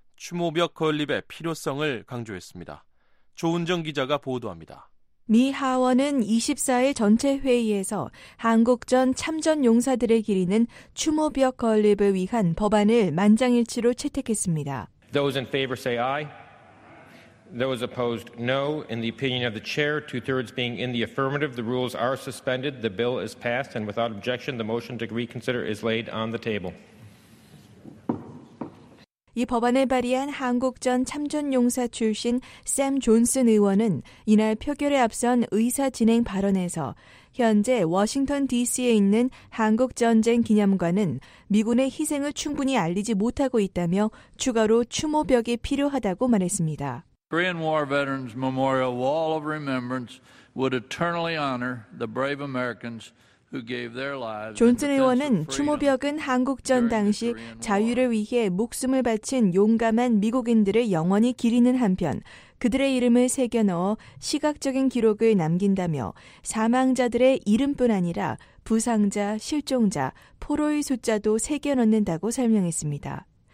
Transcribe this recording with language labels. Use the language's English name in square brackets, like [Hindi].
[Korean] 추모벽 건립의 필요성을 강조했습니다. 조은정 기자가 보도합니다. 미 하원은 24일 전체 회의에서 한국전 참전 용사들의 기리는 추모벽 건립을 위한 법안을 만장일치로 채택했습니다. [English] Those in favor say aye. Those opposed no. In the opinion of the chair, two-thirds being in the affirmative, the rules are suspended. The bill is passed and without objection, the motion to reconsider is laid on the table. [Korean] 이 법안을 발의한 한국전 참전용사 출신 샘 존슨 의원은 이날 표결에 앞선 의사진행 발언에서 현재 워싱턴 DC에 있는 한국전쟁기념관은 미군의 희생을 충분히 알리지 못하고 있다며 추가로 추모벽이 필요하다고 말했습니다. [English] Korean War Veterans Memorial Wall of Remembrance would eternally honor the brave Americans [Korean] 존슨 의원은 추모벽은 한국전 당시 자유를 위해 목숨을 바친 용감한 미국인들을 영원히 기리는 한편 그들의 이름을 새겨넣어 시각적인 기록을 남긴다며 사망자들의 이름뿐 아니라 부상자, 실종자, 포로의 숫자도 새겨넣는다고 설명했습니다.